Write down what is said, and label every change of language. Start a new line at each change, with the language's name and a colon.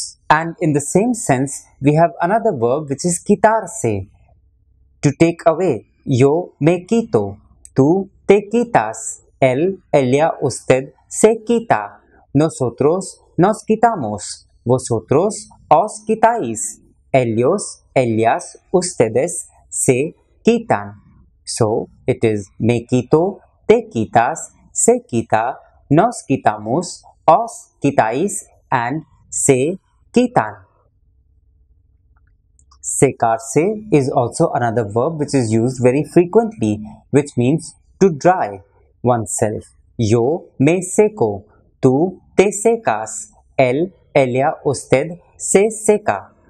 English: And in the same sense, we have another verb which is quitarse, to take away.
Spanish: Yo me quito, tú te quitas, él, ella, usted se quita, nosotros nos quitamos, vosotros os quitáis. Ellos, ellas, ustedes se quitan.
English: So, it is
Spanish: me quito, te quitas, se quita, nos quitamos, os quitáis, and se quitan.
English: Secarse is also another verb which is used very frequently, which means to dry oneself.
Spanish: Yo me seco, tú te secas, él, ella, usted se seca.